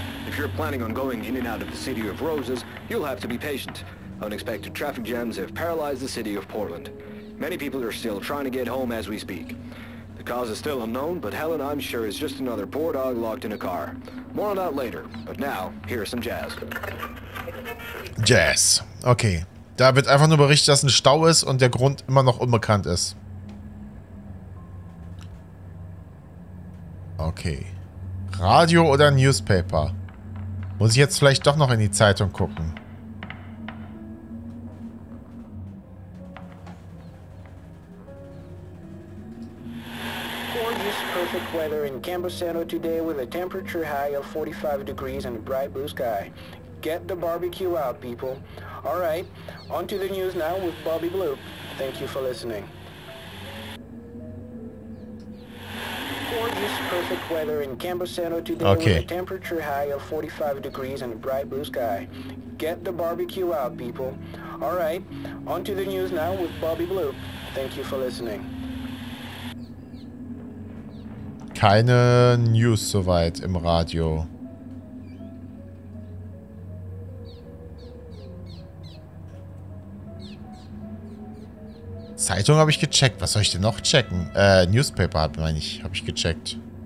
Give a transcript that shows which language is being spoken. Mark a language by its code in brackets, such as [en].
[en] If you're planning on going in and out of the City of Roses, you'll have to be patient. Unexpected traffic jams have paralyzed the city of Portland. Many people are still trying to get home as we speak. The cause is still unknown, but Helen, I'm sure, is just another poor dog locked in a car. More on that later, but now, here is some jazz. Jazz. Okay. [de] Da wird einfach nur berichtet, dass ein Stau ist und der Grund immer noch unbekannt ist. Okay. Radio oder Newspaper? Muss ich jetzt vielleicht doch noch in die Zeitung gucken? [en] Gorgeous perfect weather in Camposanto today with a temperature high of 45 degrees and a bright blue sky. Get the barbecue out, people. All right, on to the news now with Bobby Blue. Thank you for listening. Gorgeous perfect weather in Camposanto today okay. With a temperature high of 45 degrees and a bright blue sky. Get the barbecue out, people. All right, on to the news now with Bobby Blue. Thank you for listening. [de] Keine News soweit im Radio. Zeitung habe ich gecheckt. Was soll ich denn noch checken? Newspaper habe ich gecheckt.